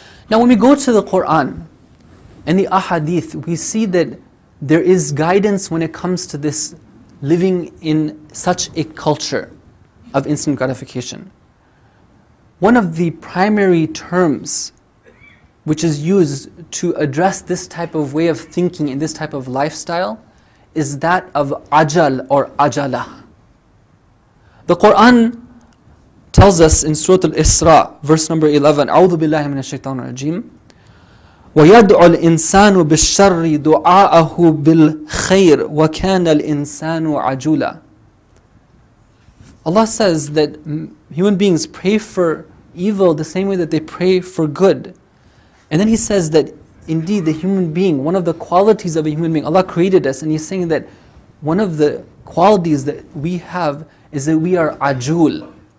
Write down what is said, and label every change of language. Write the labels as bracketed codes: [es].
[en] Now, when we go to the Quran and the Ahadith, we see that there is guidance when it comes to this living in such a culture of instant gratification. One of the primary terms which is used to address this type of way of thinking and this type of lifestyle is that of ajal or ajalah. The Quran tells us in Surah Al-Isra, verse number 11, [ar] أعوذ بالله من الشيطان الرجيم وَيَدْعُ الْإِنسَانُ بِالشَّرِّ دُعَاءَهُ بِالْخَيْرِ وَكَانَ الْإِنسَانُ عَجُولًا. [en] Allah says that human beings pray for evil the same way that they pray for good. And then He says that indeed the human being, one of the qualities of a human being, Allah created us, and He's saying that one of the qualities that we have is that we are ajul.